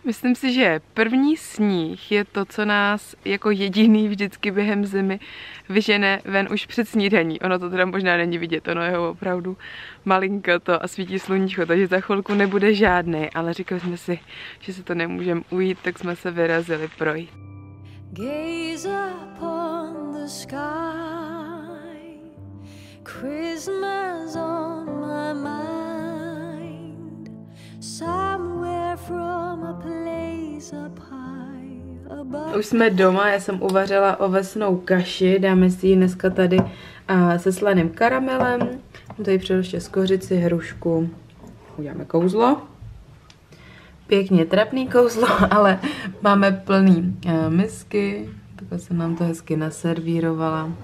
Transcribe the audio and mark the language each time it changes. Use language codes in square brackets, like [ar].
[cs] Myslím si, že první sníh je to, co nás jako jediný vždycky během zimy vyžene ven už před snídaní. Ono to teda možná není vidět, ono je opravdu malinko to a svítí sluníčko, takže za chvilku nebude žádný, ale říkali jsme si, že se to nemůžeme ujít, tak jsme se vyrazili projít. [en] Gaze upon the sky, Christmas on my mind, somewhere from a place up high above. [cs] Už jsme doma, já jsem uvařila ovesnou kaši, dáme si ji dneska tady se slaným karamelem. Tady přijdu ještě skořici, hrušku, uděláme kouzlo. Pěkně trapný kouzlo, ale máme plný misky, takhle jsem nám to hezky naservírovala.